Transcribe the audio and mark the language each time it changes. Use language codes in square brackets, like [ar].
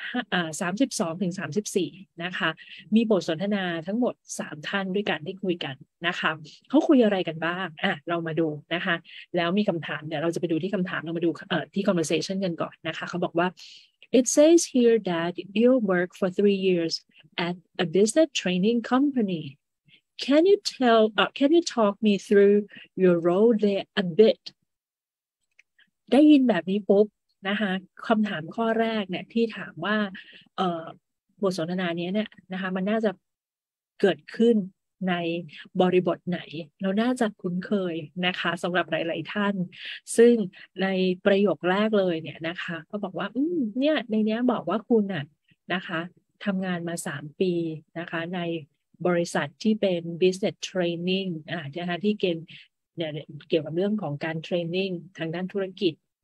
[th] 32ถึง34นะคะมีบทสนทนาทั้งหมด3ท่านด้วยกันที่คุยกันนะคะเขาคุยอะไรกันบ้างอ่ะเรามาดูนะคะแล้วมีคำถามเดี๋ยวเราจะไปดูที่คำถามเรามาดูที่ conversation กันก่อนนะคะเขาบอกว่า [en] It says here that you work for 3 years at a business training company. Can you talk me through your role there a bit? [th] ได้ยินแบบนี้ปุ๊บนะคะคำถามข้อแรกเนี่ยที่ถามว่าบทสนทนานี้เนี่ยนะคะมันน่าจะ เกิดขึ้นในบริบทไหนเราน่าจะคุ้นเคยนะคะสำหรับหลายๆท่านซึ่งในประโยคแรกเลยเนี่ยนะคะก็บอกว่าเนี่ยในนี้บอกว่าคุณน่ะนะคะทำงานมา3ปีนะคะในบริษัทที่เป็น business training นะคะที่เกี่ยวกับเรื่องของการเทรนนิ่งทางด้านธุรกิจ